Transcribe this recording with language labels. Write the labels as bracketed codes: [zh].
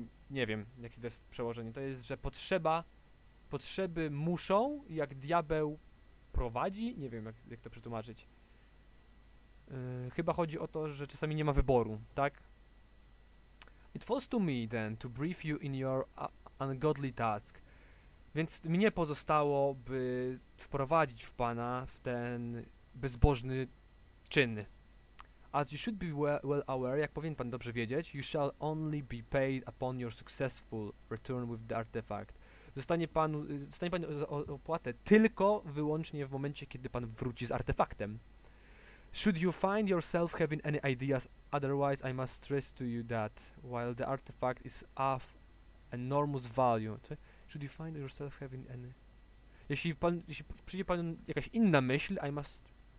[pl] Nie wiem, jakie to jest przełożenie. To jest, że potrzeby muszą, jak diabeł prowadzi. Nie wiem, jak to przetłumaczyć. Chyba chodzi o to, że czasami nie ma wyboru, tak? [en] It falls to me then to brief you in your ungodly task. [pl] Więc mnie pozostało, by wprowadzić w pana w ten bezbożny czyn. [en] As you should be well aware, [pl] jak powinien pan dobrze wiedzieć, [en] you shall only be paid upon your successful return with the artifact. [pl] Zostanie pan opłatę tylko wyłącznie w momencie, kiedy pan wróci z artefaktem. [en] Should you find yourself having any ideas otherwise, I must stress to you that while the artifact is of enormous value. Should you find yourself having any... [pl] Jeśli przyjdzie panu jakaś inna myśl, [en] I must...